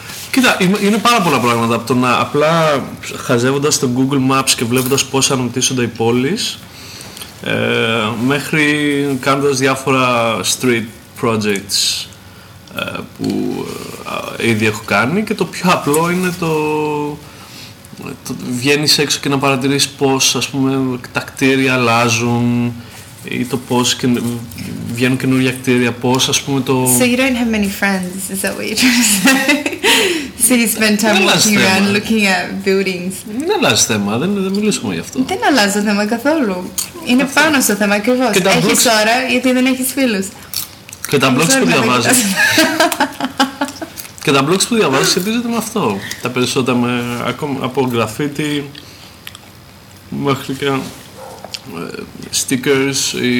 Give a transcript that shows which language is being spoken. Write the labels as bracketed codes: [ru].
[el] Κοίτα, είναι πάρα πολλά πράγματα. Από το να απλά χαζεύοντας το Google Maps και βλέποντας πώς αναπτύσσονται οι πόλεις, μέχρι κάνοντας διάφορα street projects που ήδη έχω κάνει, και το πιο απλό είναι το βγαίνεις έξω και να παρατηρείς πώς, ας πούμε, τα κτίρια αλλάζουν ή το πώς βγαίνουν καινούργια κτίρια, πώς, ας πούμε, το... [en] So you don't have many friends, is that what you're trying to say? So you spend time walking around looking at buildings. [el] Δεν αλλάζει θέμα, δεν μιλήσουμε γι' αυτό. Δεν αλλάζει θέμα καθόλου. Είναι πάνω στο θέμα ακριβώς. Έχεις ώρα γιατί δεν έχεις φίλους. Και τα blogs που διαβάζεις. Και τα blogs που διαβάζεις σχετίζονται με αυτό. Τα περισσότερα από γραφίτι μέχρι και stickers.